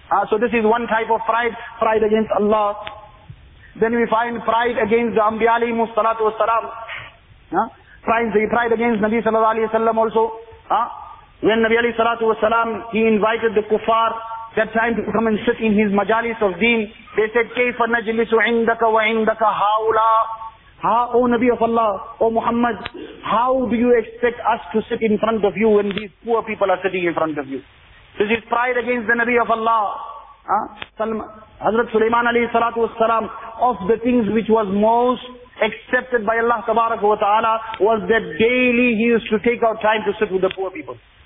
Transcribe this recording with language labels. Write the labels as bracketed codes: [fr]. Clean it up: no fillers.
[en] So this is one type of pride against Allah. Then we find pride against the Anbiya alayhimu salatu wassalam. Pride against Nabi sallallahu alayhi wa sallam also. When Nabi alayhi salatu wassalam, he invited the kuffar that time to come and sit in his majalis of deen. [ar] They said, كَيْفَ نَجْلِسُ عِنْدَكَ وَعِنْدَكَ هَاوْلَىٰ. [en] O Nabi of Allah, O Muhammad, how do you expect us to sit in front of you when these poor people are sitting in front of you? This is pride against the Nabi of Allah. Hazrat Sulaiman alayhi salatu wassalam, of the things which was most accepted by Allah tabarak wa ta'ala was that daily he used to take out time to sit with the poor people.